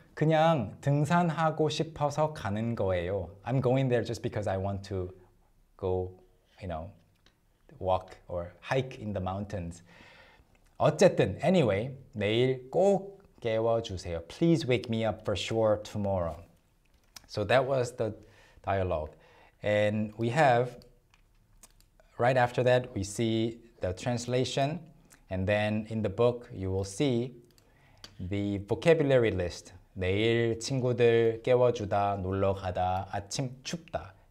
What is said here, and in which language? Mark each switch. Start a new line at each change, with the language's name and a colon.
Korean: 그냥 등산하고 싶어서 가는 거예요.
English: I'm going there just because I want to go, you know, walk or hike in the mountains.
Korean: 어쨌든, anyway, 내일 꼭 깨워주세요.
English: Please wake me up for sure tomorrow. So that was the dialogue. And we have, right after that, we see the translation. And then in the book, you will see the vocabulary list.
Korean: 내일 친구들 깨워주다, 놀러가다, 아침 춥다.